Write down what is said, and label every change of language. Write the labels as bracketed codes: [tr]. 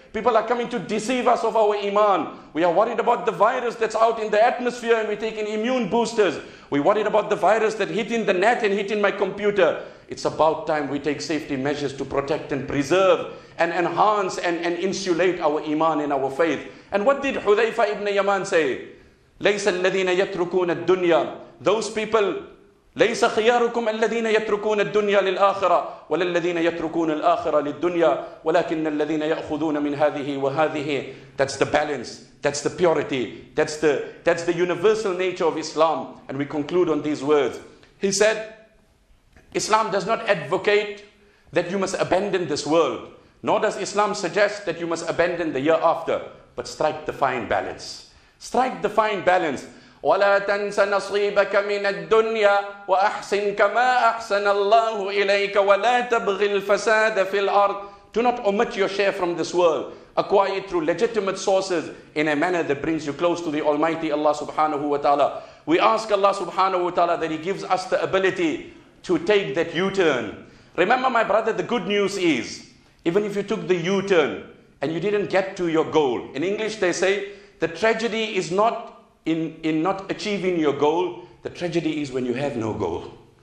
[en] People are coming to deceive us of our iman. We are worried about the virus that's out in the atmosphere and we're taking immune boosters. We're worried about the virus that hit in the net and hit in my computer. It's about time we take safety measures to protect and preserve and enhance and insulate our iman and our faith. And what did Hudhayfa ibn Yaman say? [ar] لَيْسَ الَّذِينَ يَتْرُكُونَ الدُّنْيَا. [en] Those people, [ar] لَيْسَ خِيَارُكُمْ الَّذِينَ يَتْرُكُونَ الدُّنْيَا لِلْآخِرَةِ وَلَلَّذِينَ يَتْرُكُونَ الْآخِرَةَ لِلدُّنْيَا وَلَكِنَّ الَّذِينَ يَأْخُذُونَ مِنْ هَذِهِ وَهَذِهِ. [en] That's the balance. That's the purity. That's the universal nature of Islam. And we conclude on these words. He said, Islam does not advocate that you must abandon this world, nor does Islam suggest that you must abandon the year after, but strike the fine balance. Strike the fine balance. [ar] وَلَا تَنْسَ نَصِيبَكَ مِنَ الدُّنْيَا وَأَحْسِنْ كَمَا أَحْسَنَ اللَّهُ إِلَيْكَ وَلَا تَبْغِي الْفَسَادَ فِي الْأَرْضِ. [en] Do not omit your share from this world. Acquire it through legitimate sources in a manner that brings you close to the Almighty Allah subhanahu wa ta'ala. We ask Allah subhanahu wa ta'ala that He gives us the ability to take that U-turn. Remember, my brother, the good news is, even if you took the U-turn and you didn't get to your goal, in English they say, the tragedy is not in not achieving your goal, the tragedy is when you have no goal.